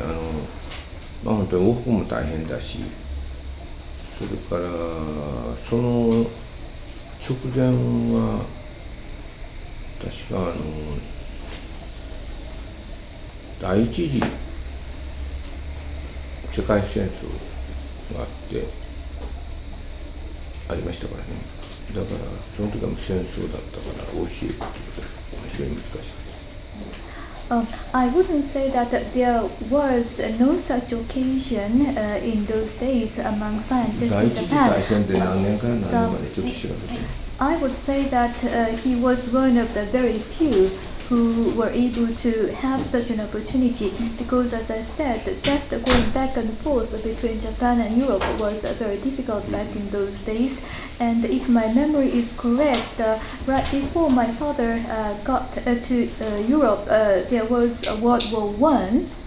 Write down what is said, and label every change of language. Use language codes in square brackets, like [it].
[ja] あの、まあ本当に往復も大変だし、それからその直前は確かあの第一次世界戦争があってありましたからね。だからその時も戦争だったから教えるってことは非常に難しい。 [en] I wouldn't say that there was no such occasion in those days among scientists in Japan. [ja] 第一次大戦で何年から何年までちょっと調べて。 [en] I would say that he was one of the very few who were able to have such an opportunity, because as I said, just going back and forth between Japan and Europe was very difficult back in those days. And if my memory is correct, right before my father got to Europe, there was World War I.